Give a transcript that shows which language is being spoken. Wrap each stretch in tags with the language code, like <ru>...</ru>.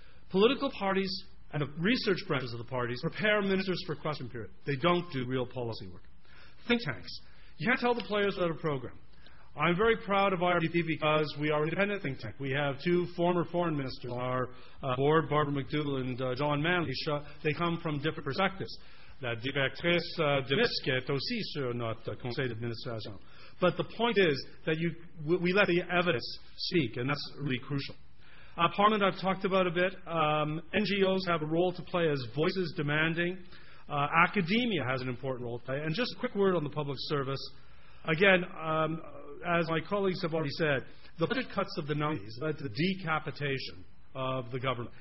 <en>Political parties and the research branches of the parties prepare ministers for question period. They don't do real policy work. Think tanks. You can't tell the players without a program. I'm very proud of IRPP because we are an independent think tank. We have two former foreign ministers on our board, Barbara McDougall and John Manley. They come from different perspectives.</en> <fr>La directrice de Misque est aussi sur notre conseil d'administration.</fr> <en>But the point is that we let the evidence speak, and that's really crucial. Parliament, I've talked about a bit. NGOs have a role to play as voices demanding. Academia has an important role to play. And just a quick word on the public service. Again, as my colleagues have already said, the budget cuts of the 90s led to the decapitation of the government.</en>